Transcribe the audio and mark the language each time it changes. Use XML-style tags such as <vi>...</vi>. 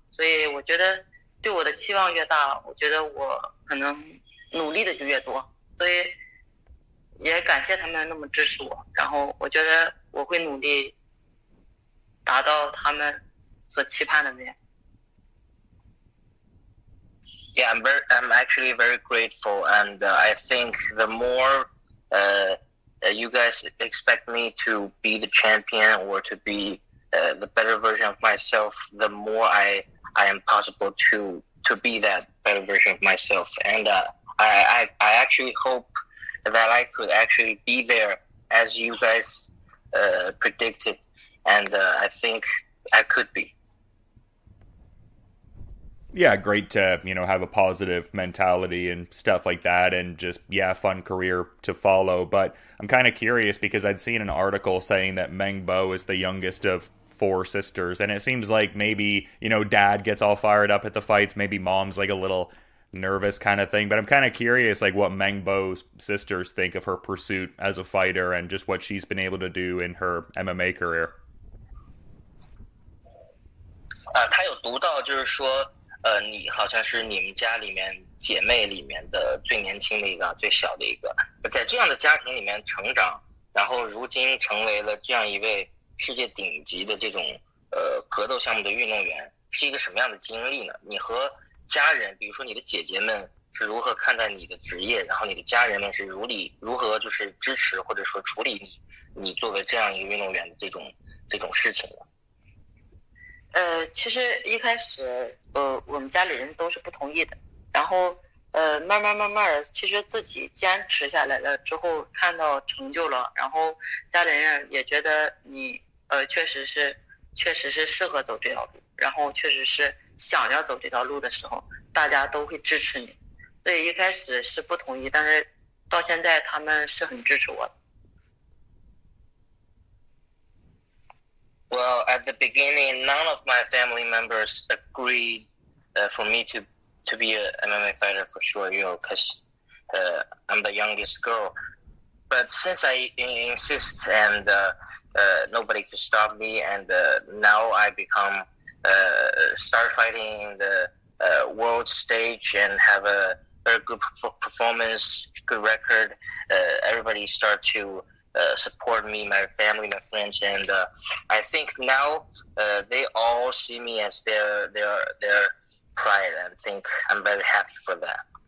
<zh>所以我觉得对我的期望越大，我觉得我可能努力的就越多，所以也感谢他们那么支持我，然后我觉得我会努力达到他们所期盼的那样。</zh> <en>Yeah, I'm actually very grateful, and I think the more you guys expect me to be the champion or to be the better version of myself, the more I am possible to be that better version of myself. And I actually hope that I could actually be there as you guys predicted, and I think I could be. Yeah, great to, have a positive mentality and stuff like that, and just, yeah, fun career to follow. But I'm kind of curious because I'd seen an article saying that Meng Bo is the youngest of four sisters, and it seems like maybe, dad gets all fired up at the fights, maybe mom's like a little nervous kind of thing. But I'm kind of curious, like, what Meng Bo's sisters think of her pursuit as a fighter and just what she's been able to do in her MMA career.</en> <zh>他有读到，就是说，你好像是你们家里面姐妹里面的最年轻的一个，最小的一个，在这样的家庭里面成长，然后如今成为了这样一位世界顶级的这种格斗项目的运动员，是一个什么样的经历呢？你和家人，比如说你的姐姐们是如何看待你的职业，然后你的家人们是如何就是支持或者说处理你作为这样一个运动员的这种事情呢？其实一开始，我们家里人都是不同意的。然后，慢慢，其实自己坚持下来了之后，看到成就了，然后家里人也觉得你，确实是适合走这条路，然后确实是想要走这条路的时候，大家都会支持你。所以一开始是不同意，但是到现在他们是很支持我的。</zh> <en>Well, at the beginning, none of my family members agreed for me to be an MMA fighter for sure, because I'm the youngest girl. But since I insist and nobody could stop me, and now I become start fighting in the world stage and have a very good performance, good record, everybody start to support me, my family, my friends, and I think now they all see me as their pride, and think I'm very happy for that.</en>